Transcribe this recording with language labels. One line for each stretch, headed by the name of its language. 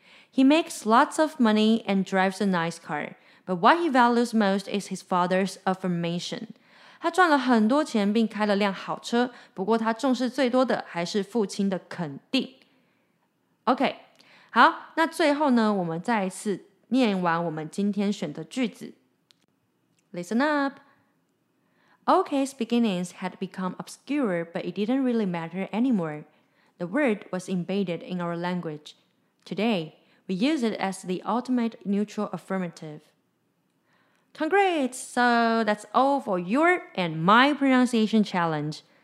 English: He makes lots of money and drives a nice car, but what he values most is his father's affirmation.
Chinese: 他赚了很多钱并开了辆好车，不过他重视最多的还是父亲的肯定。 OK, 好，那最后呢，我们再一次念完我们今天选的句子。
English: Listen up. OK's beginnings had become obscure, but it didn't really matter anymore. The word was embedded in our language. Today, we use it as the ultimate neutral affirmative. Congrats! So that's all for your and my pronunciation challenge.